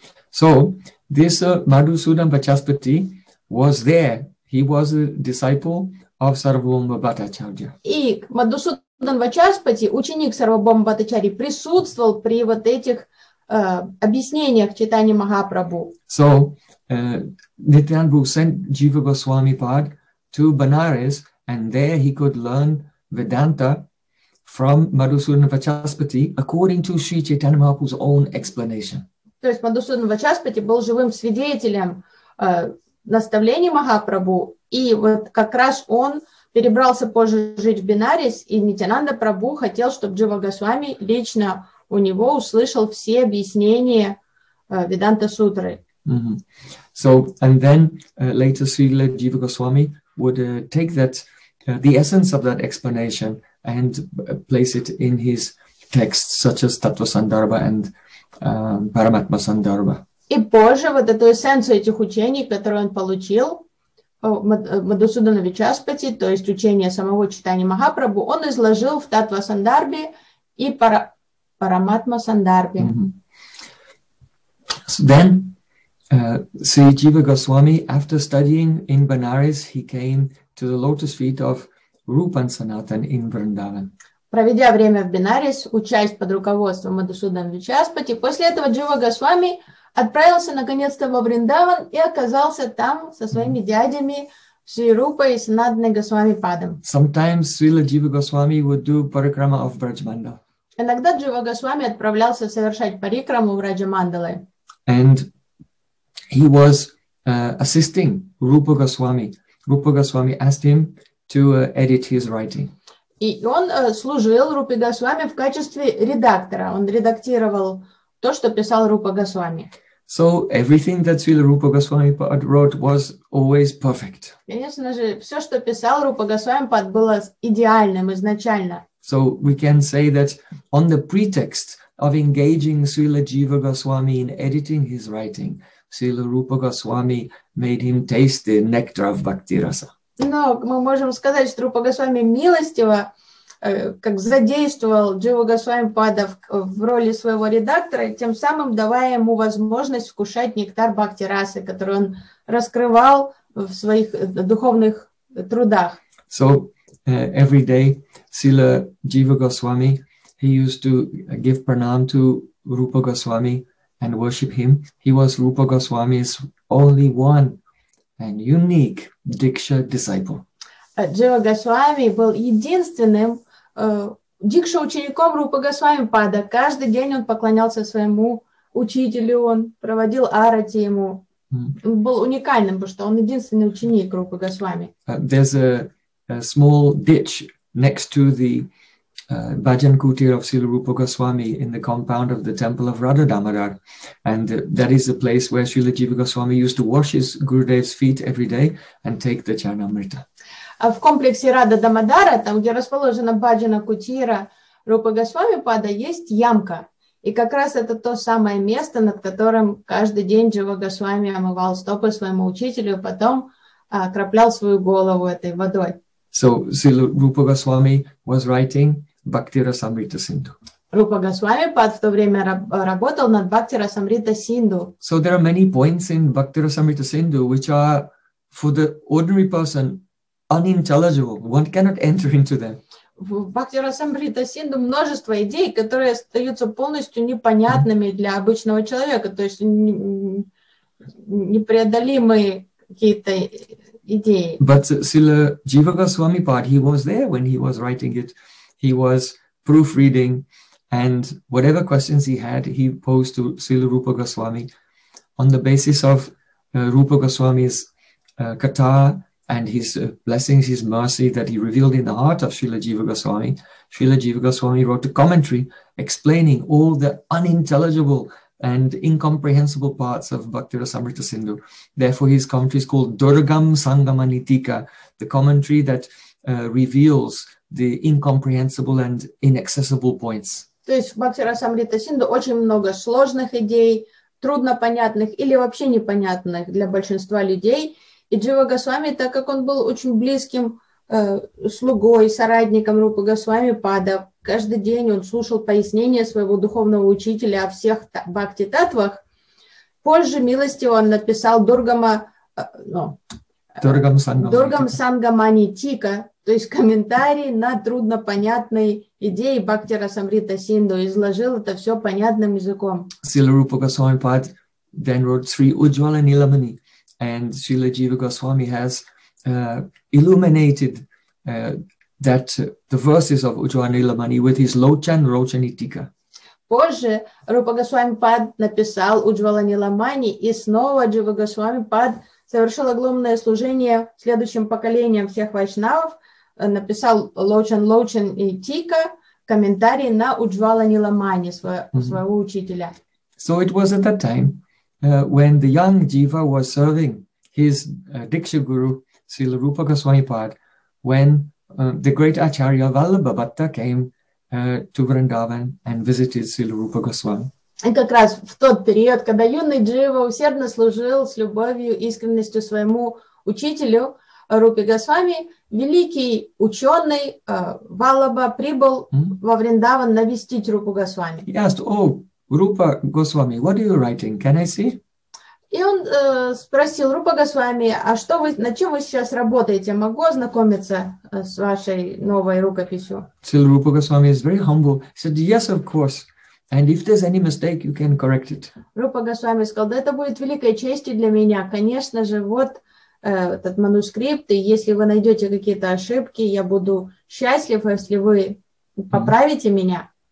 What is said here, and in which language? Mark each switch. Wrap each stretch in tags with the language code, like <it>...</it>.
<en>So, this Madhusudan Vachaspati was there. He was a disciple of Sarvabhauma Bhattacharya.</en> <ru>И Мадхусудан Вачаспати, ученик Сарвабхаума Бхаттачарьи, присутствовал при вот этих объяснениях Чайтаньи Махапрабху.</ru> <en>So, Nityanabhu sent Jiva Goswami Pad to Banaras, and there he could learn Vedanta from Madhusudan Vachaspati according to Sri Chaitanya Mahaprabhu's own explanation.</en> <ru>То есть Мадхусудан Вачаспати был живым свидетелем наставлений Махапрабху, и вот как раз он перебрался позже жить в Бинарис, и Нитянанда Прабху хотел, чтобы Джива Госвами лично у него услышал все объяснения Веданта Сутры. Mm-hmm.</ru> <en>So, and then later Srila Jiva Goswami would take that, the essence of that explanation and place it in his texts, such as Tattva Sandarbha and Paramatma Sandarbha.</en> <ru>И позже вот эту эссенцию этих учений, которые он получил Мадхусудана Вачаспати, то есть учение самого Чайтаньи Махапрабху, он изложил в Таттва Сандарбе и Параматма Сандарбе.</ru> <en>Mm-hmm. So then, Sri Jiva Goswami, after studying in Banaras, he came to the lotus feet of Rupan Sanatan in Vrindavan.</en> <ru>Проведя время в Бинарис, учась под руководством Мадхусудана Вачаспати, после этого Джива Госвами отправился наконец-то во Вриндаван и оказался там со своими дядями Шри Рупой и Санатаной Госвами Падом.</ru> <en>Sometimes Srila Jiva Goswami would do parikrama of Brajmandal.</en> <ru>Иногда Джива Госвами отправлялся совершать парикраму в Раджамандалы.</ru> <en>And he was assisting Rupa Goswami. Rupa Goswami asked him to edit his writing.</en> <ru>И он служил Рупе Госвами в качестве редактора. Он редактировал то, что писал Рупа Госвами.</ru> <en>So everything that Srila Rupa Goswami Pad wrote was always perfect.</en> <ru>Конечно же, все, что писал Рупа Госвами Пад, было идеальным изначально.</ru> <en>So we can say that on the pretext of engaging Srila Jiva Goswami in editing his writing, Srila Rupa Goswami made him taste the nectar of bhakti rasa.</en> <ru>Но мы можем сказать, что Рупа Госвами милостиво как задействовал Джива Госвами Пада в роли своего редактора, тем самым давая ему возможность вкушать нектар бхакти расы, который он раскрывал в своих духовных трудах.</ru> <en>So every day Srila Jiva Goswami, he used to give pranam to Rupa Goswami and worship him. He was Rupa Goswami's only one and unique Diksha disciple.</en> <ru>Джива Госвами был единственным дикша учеником Рупа Госвами Пада. Каждый день он поклонялся своему учителю, он проводил арати ему. Он был уникальным, потому что он единственный ученик Рупа Госвами.</ru> <en>There's a small ditch next to the bhajan kutir of Srila Rupa Goswami in the compound of the temple of Radha Damodar. And that is the place where Srila Jiva Goswami used to wash his Gurudev's feet every day and take the Charanamrita.</en> <ru>В комплексе Рада Дамодара, там, где расположена Баджана Кутира Рупа Госвами Пада, есть ямка. И как раз это то самое место, над которым каждый день Джива Госвами омывал стопы своему учителю, потом окроплял свою голову этой водой.</ru> <en>So, Srila Rupa Goswami was writing Bhakti Rasamrita Sindhu.</en> <ru>Рупа Госвами Пад в то время работал над Бхакти Расамрита Синду.</ru> <en>So, there are many points in Bhakti Rasamrita Sindhu, which are for the ordinary person unintelligible. One cannot enter into them.</en> <ru>В Бхакти Расамрита Синду множество идей, которые остаются полностью непонятными для обычного человека, то есть непреодолимые какие-то идеи.</ru> <en>But Srila Jiva Goswami Pad, he was there when he was writing it. He was proofreading, and whatever questions he had, he posed to Srila Rupa Goswami on the basis of Rupa Goswami's katha and his blessings, his mercy that he revealed in the heart of Srila Jiva Goswami. Srila Jiva Goswami wrote a commentary explaining all the unintelligible and incomprehensible parts of Bhakti Rasamrita Sindhu. Therefore, his commentary is called Durgam Sangamanitika, the commentary that reveals the incomprehensible and inaccessible points.</en> <ru>То есть в Бхактирасамрита Синду очень много сложных идей, труднопонятных или вообще непонятных для большинства людей. И Джива Госвами, так как он был очень близким слугой, соратником Рупы Госвами Пада, каждый день он слушал пояснения своего духовного учителя о всех бхакти-таттвах, позже милостиво он написал Дургам Сангаманитика, то есть комментарий на труднопонятные идеи Бхактирасамрита Синду, изложил это все понятным языком.</ru> <en>Srila Rupa Goswami Pad then wrote Sri Ujjvala Nilamani, and Srila Jiva Goswami has illuminated that the verses of Ujjvala Nilamani with his Lochan Rochanitika.</en> <ru>Позже Рупа Госвами Пад написал Ujjvala Nilamani, и снова Jiva Goswami Pad совершил огромное служение следующим поколениям всех вайшнавов, написал Лоучен и Тика комментарий на Ujjvala Nilamani своего учителя.</ru> <en>So it was at that time when the young Jiva was serving his Diksha Guru, Srila Rupa Goswami Pad, when the great Acharya Vallabhabhatta came to Vrindavan and visited Srila Rupa Goswami.</en> <ru>И как раз в тот период, когда юный Джива усердно служил с любовью, искренностью своему учителю Рупе Госвами, великий ученый Валлабха прибыл во Вриндаван навестить Рупу Госвами.</ru> <en>He asked, "Oh, Rupa Goswami, what are you writing? Can I see?"</en> <ru>И он спросил Рупа Госвами, "А что вы, над чем вы сейчас работаете? Могу ознакомиться с вашей новой рукописью?"</ru> <en>Still, Rupa Goswami is very humble. He said, "Yes, of course. And if there's any mistake, you can correct it."</en> <ru>Rupa Goswami сказал, да это будет великой честью для меня. Конечно же, вот этот манускрипт, и если вы найдете какие-то ошибки, я буду счастлив, если вы поправите меня.</ru>